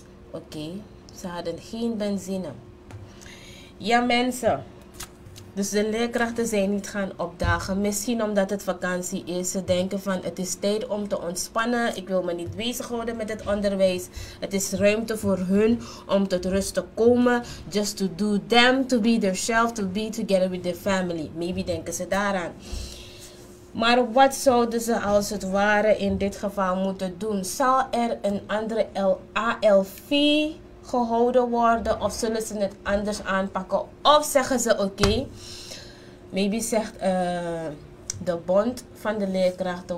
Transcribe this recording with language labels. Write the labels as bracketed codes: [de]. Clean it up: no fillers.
[nl] Oké, ze hadden geen benzine. Ja mensen, dus de leerkrachten zijn niet gaan opdagen. Misschien omdat het vakantie is. Ze denken van het is tijd om te ontspannen. Ik wil me niet bezig houden met het onderwijs. Het is ruimte voor hun om tot rust te komen. [en] Just to do them, to be themselves, to be together with their family. [nl] Maybe denken ze daaraan. Maar wat zouden ze als het ware in dit geval moeten doen? Zal er een andere ALV gehouden worden? Of zullen ze het anders aanpakken? Of zeggen ze oké. Maybe zegt de bond van de leerkrachten.